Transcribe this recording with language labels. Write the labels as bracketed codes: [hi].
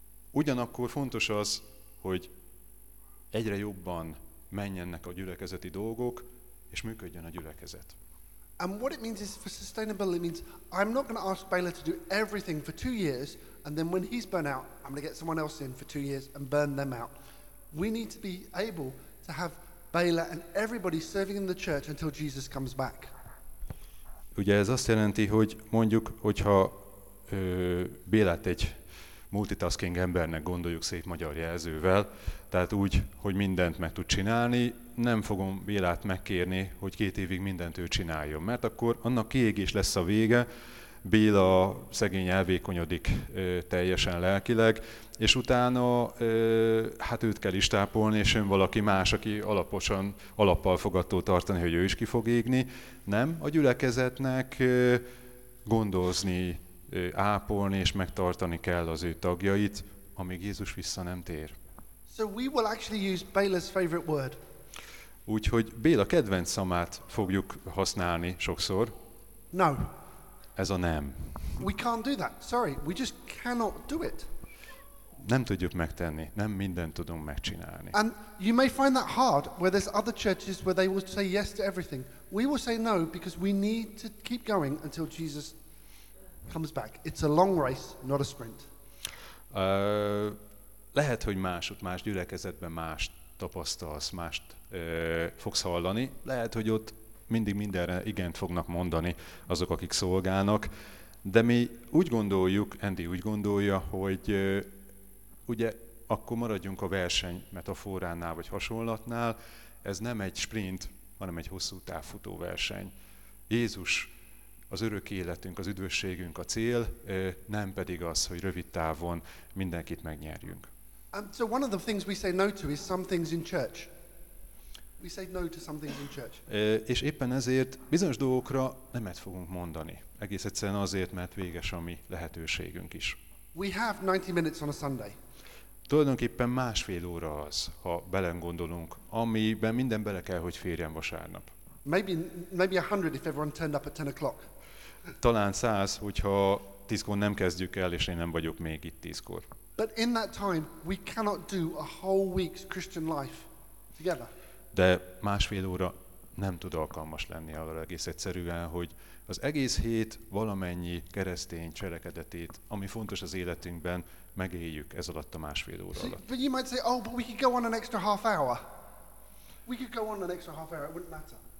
[hu] Ugyanakkor fontos az, hogy egyre jobban menjenek a gyülekezeti dolgok, és működjön a gyülekezet. [en] And what it means is for sustainability means I'm not going to ask Baylor to do everything for 2 years and then when he's burnt out, I'm going to get someone else in for 2 years and burn them out. We need to be able to have Baylor and everybody serving in the church until Jesus comes back. [hu] Ugye ez azt jelenti, hogy mondjuk, hogyha Bélát egy multitasking embernek gondoljuk szép magyar jelzővel, tehát úgy, hogy mindent meg tud csinálni, nem fogom Bélát megkérni, hogy 2 évig mindent ő csináljon, mert akkor annak kiégés lesz a vége, Béla szegény elvékonyodik teljesen lelkileg, és utána hát őt kell is tápolni, és jön valaki más, aki alaposan alappal fogadtól tartani, hogy ő is ki fog égni. Nem, a gyülekezetnek gondozni, ápolni és megtartani kell az ő tagjait, amíg Jézus vissza nem tér. [en] So we will actually use Béla's favorite word. [hu] Úgyhogy Béla kedvenc szamát fogjuk használni sokszor. [en] No. [hu] Ez a nem. [en] We can't do that. Sorry, we just cannot do it. [hu] Nem tudjuk megtenni, nem mindent tudunk megcsinálni. [en] And you may find that hard where there's other churches where they will say yes to everything. We will say no because we need to keep going until Jesus comes back. It's a long race, not a sprint. [hu] Lehet, hogy más gyülekezetben más tapasztalsz, mást fogsz hallani. Lehet, hogy ott mindig mindenre igent fognak mondani azok, akik szolgálnak. De mi úgy gondoljuk, Andy úgy gondolja, hogy ugye akkor maradjunk a verseny metaforánál vagy hasonlatnál. Ez nem egy sprint, hanem egy hosszú távfutó verseny. Jézus az örök életünk, az üdvösségünk a cél, nem pedig az, hogy rövid távon mindenkit megnyerjünk. [en] So one of the things we say no to is some things in church. We say no to some things in church. [hu] És éppen ezért bizonyos dolgokra nemet fogunk mondani. Egész egyszerűen azért, mert véges a mi lehetőségünk is. [en] We have 90 minutes on a Sunday. [hu] Tulajdonképpen másfél óra az, ha belegondolunk, amiben minden bele kell, hogy férjen vasárnap. [en] Maybe 100 if everyone turned up at 10 o'clock. [hu] Talán 100, hogyha 10-kor nem kezdjük el, és én nem vagyok még itt 10-kor. [en] But in that time, we cannot do a whole week's Christian life together. [hu] De másfél óra nem tud alkalmas lenni arra egész egyszerűen, hogy az egész hét valamennyi keresztény cselekedetét, ami fontos az életünkben, megéljük ez alatt a másfél óra alatt. [en] But you might say, oh, but we could go on an extra half hour. We could go on an extra half hour, it wouldn't matter.